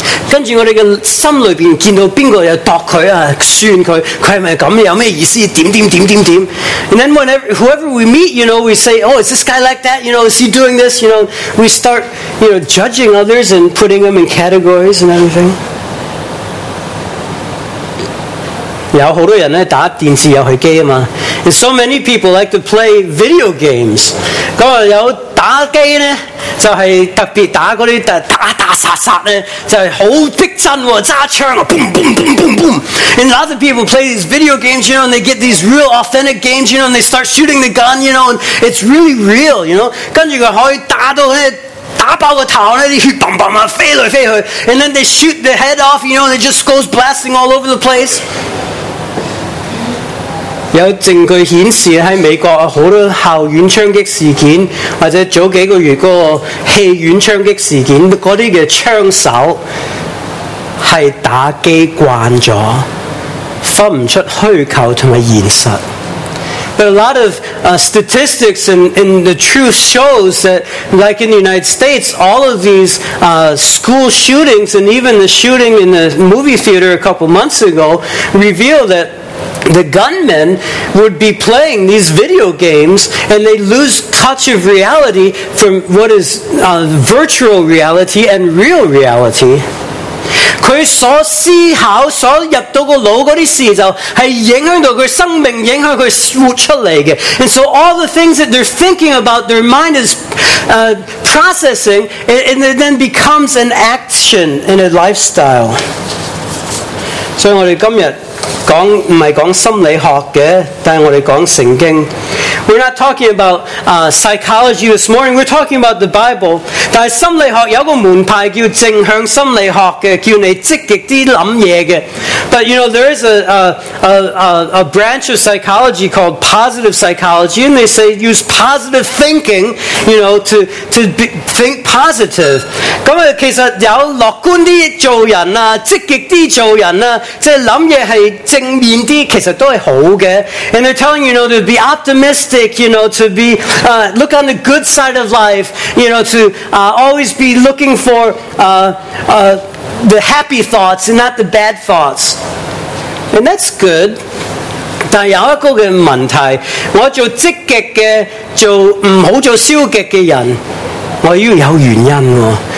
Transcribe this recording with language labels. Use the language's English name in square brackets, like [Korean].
[Cantonese] 跟住我哋嘅心里边见到边个又度佢啊，算佢，佢系咪咁？有咩意思？点点点点点。 [English] And then whenever whoever we meet, you know, we say, oh, is this guy like that? You know, is he doing this? You know, we start, you know, judging others and putting them in categories and everything. [Cantonese] 有好多人咧打电视游戏机啊嘛。 [English] And so many people like to play video games. [Cantonese] 咁啊有打机咧。就是特别打嗰啲打打打杀杀咧，就系好逼真喎，揸枪啊 ，boom boom boom boom boom。 [English] And lots of people play these video games, you know, and they get these real authentic games, you know, and they start shooting the gun, you know, and it's really real, you know。 [Cantonese] 跟住佢可以打到咧，打爆个头咧，啲血嘭嘭啊飞来飞去。 [English] And then they shoot the head off, you know, and it just goes blasting all over the place。 [Cantonese] 有證據顯示喺美國好多校園槍擊事件，或者早幾個月嗰個戲院槍擊事件，嗰啲嘅槍手係打機慣咗，分唔出虛構同埋現實。 [English] But a lot of statistics and the truth shows that, like in the United States, all of these school shootings and even the shooting in the movie theater a couple months ago reveal that. The gunmen would be playing these video games, and they lose touch of reality from what is virtual reality and real reality. [Cantonese] 佢所思考、所入到个脑嗰啲事，就系影响到佢生命，影响佢活出嚟嘅。 [English] And so all the things that they're thinking about, their mind is processing, and it then becomes an action in a lifestyle. [Cantonese] 所以我哋今日。讲唔系讲心理学嘅，但系我哋讲圣经。 [English] We're not talking about psychology this morning. We're talking about the Bible. [Cantonese] 但系心理学有个门派叫正向心理学嘅，叫你积极啲谂嘢嘅。 [English] But you know there is a branch of psychology called positive psychology, and they say use positive thinking, you know, to think positive. [Cantonese] 咁啊，其实有乐观啲做人啊，积极啲做人啊，即系谂嘢系。正面啲其實都係好嘅 [English] ，and they're telling you know to be optimistic, you know to be look on the good side of life, you know to always be looking for the happy thoughts and not the bad thoughts, and that's good. [Cantonese] 但有一個嘅問題，我做積極嘅，做唔好做消極嘅人，我要有原因喎。